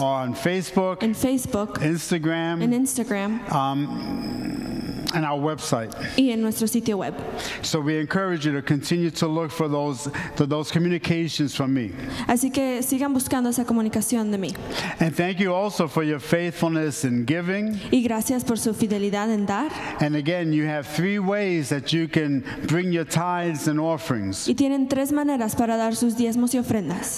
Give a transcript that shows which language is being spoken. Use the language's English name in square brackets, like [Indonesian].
[English] on Facebook, [Spanish] en Facebook, [English] Instagram, [Spanish] en Instagram, [English] and our website. [Spanish] Y en nuestro sitio web. [English] So we encourage you to continue to look for those communications from me. [Spanish] Así que sigan buscando esa comunicación de mí. [English] And thank you also for your faithfulness in giving. [Spanish] Y gracias por su fidelidad en dar. [English] And again, you have three ways that you can bring your tithes and offerings. [Spanish] Y tienen tres maneras para dar sus diezmos y ofrendas.